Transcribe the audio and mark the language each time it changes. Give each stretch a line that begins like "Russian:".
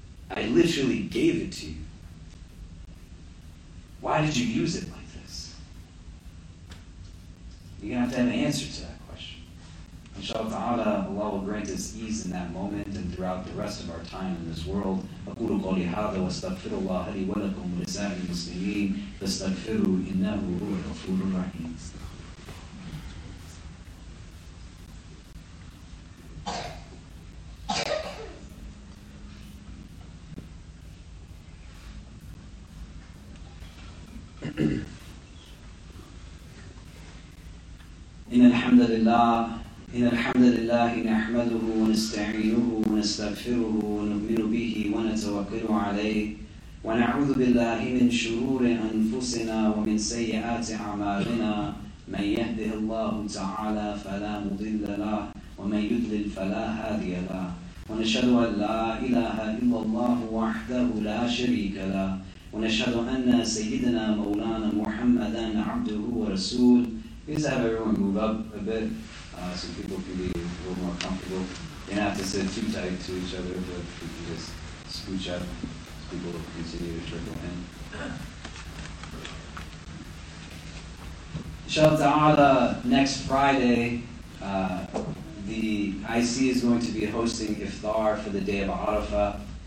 English: I literally gave it to you. Why did you use it like this? You're going to have an answer to that question. Inshallah ta'ala, Allah will grant us ease in that moment and throughout the rest of our time in this world.
Arabic: أقول قولي هذا واستغفر الله لي ولكم ولسائر المسلمين فاستغفروا إنه هو الغفور الرحيم. إن الحمد لله نحمده ونستعينه ونستغفره ونؤمن به ونتوكل عليه ونعوذ بالله من شرور أنفسنا ومن سيئات أعمالنا من يهده الله تعالى فلا مضل له ومن يضلل فلا هادي له ونشهد أن لا إله إلا الله وحده لا شريك له ونشهد أن سيدنا مولانا محمدا عبده ورسول.
English: Please have everyone move up a bit so people can be a little more comfortable. You don't have to sit too tight to each other, but you can just scooch up so people can continue to trickle in. Inshallah ta'ala, next Friday, the IC is going to be hosting iftar for the day of Arafah.